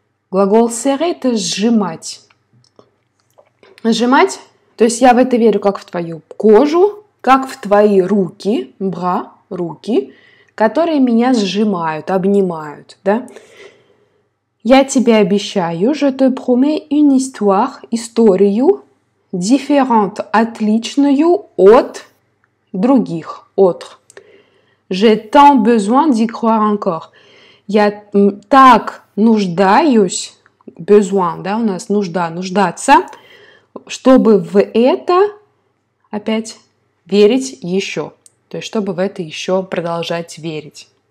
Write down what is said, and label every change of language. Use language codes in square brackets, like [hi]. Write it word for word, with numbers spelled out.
[ru] Глагол serrer – это сжимать. Сжимать, то есть я в это верю, как в твою кожу, как в твои руки, bras, руки, которые меня сжимают, обнимают, да? Я тебе обещаю, [fr] je te promets une histoire, [ru] историю, différente, отличную от других, autre. [fr] J'ai tant besoin d'y croire encore. [ru] Я так нуждаюсь, besoin, да, у нас нужда, нуждаться, чтобы в это опять верить еще. То есть, чтобы в это еще продолжать верить.